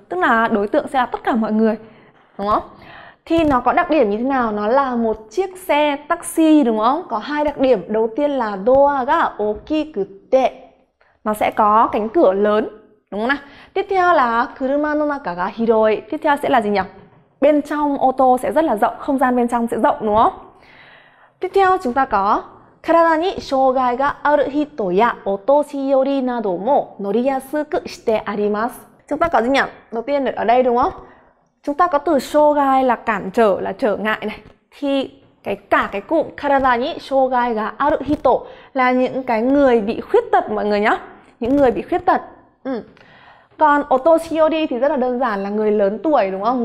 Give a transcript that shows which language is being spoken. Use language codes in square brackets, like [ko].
[vi] Tức là đối tượng sẽ là tất cả mọi người, đúng không? Thì nó có đặc điểm như thế nào? Nó là một chiếc xe taxi đúng không? Có hai đặc điểm. Đầu tiên là [ja] doa ga okikute, [vi] nó sẽ có cánh cửa lớn, đúng không nào? Tiếp theo là [ja] kuruma no naka ga hiroi. [vi] Tiếp theo sẽ là gì nhỉ? Bên trong ô tô sẽ rất là rộng, không gian bên trong sẽ rộng đúng không? Tiếp theo chúng ta có [ja] 体に障害がある人やお年寄りなども乗りやすくしてあります. [vi] Chúng ta có gì nhỉ? Đầu tiên ở đây đúng không? Chúng ta có từ 障害 là cản trở, là trở ngại này. Thì cái cả cái cụm [ja] 体に障害がある人 [vi] là những cái người bị khuyết tật mọi người nhá. Những người bị khuyết tật. Còn otoshiyori thì rất là đơn giản là người lớn tuổi đúng không?